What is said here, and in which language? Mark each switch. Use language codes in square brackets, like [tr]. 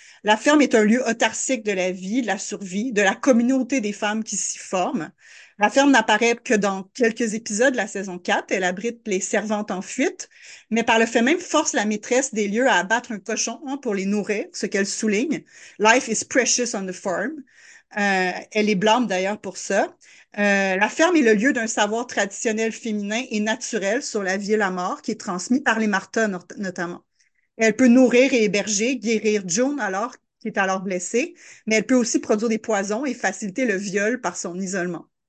[fr] La ferme est un lieu autarcique de la vie, de la survie, de la communauté des femmes qui s'y forment. La ferme n'apparaît que dans quelques épisodes de la saison 4. Elle abrite les servantes en fuite, mais par le fait même force la maîtresse des lieux à abattre un cochon, hein, pour les nourrir, ce qu'elle souligne. [en] Life is precious on the farm. [fr] Elle est blâmée d'ailleurs pour ça. La ferme est le lieu d'un savoir traditionnel féminin et naturel sur la vie et la mort qui est transmis par les Martha notamment. Elle peut nourrir et héberger, guérir June alors qui est alors blessée, mais elle peut aussi produire des poisons et faciliter le viol par son isolement.